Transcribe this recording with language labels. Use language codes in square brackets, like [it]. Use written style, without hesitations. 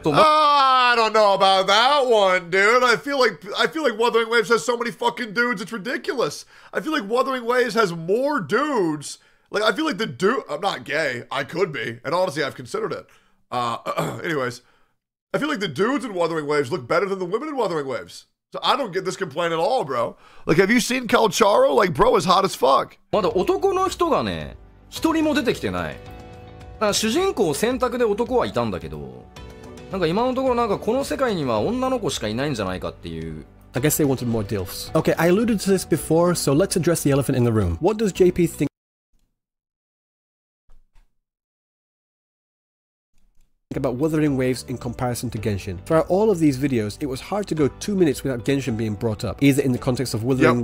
[en] I don't know about that one, dude. I feel like Wuthering Waves has so many fucking dudes, it's ridiculous. I feel like Wuthering Waves has more dudes, Like, I feel like the dude, I'm not gay. I could be. And honestly, I've considered it. Anyways, I feel like the dudes in Wuthering Waves look better than the women in Wuthering Waves. So I don't get this complaint at all, bro. Like, have you seen Calcharo? Like, bro is hot as fuck. [ja] まだ男の人がね、一人も出てきてない。主人公選択で男はいたんだけど、なんか今のところなんかこの世界には女の子しかいないんじゃないかっていう。 [en] I guess they wanted more DILFs. Okay, I alluded to this before, so let's address the elephant in the room. What does JP think? About Wuthering Waves in comparison to Genshin. Throughout all of these videos, it was hard to go 2 minutes without Genshin being brought up, either in the context of Wuthering yep.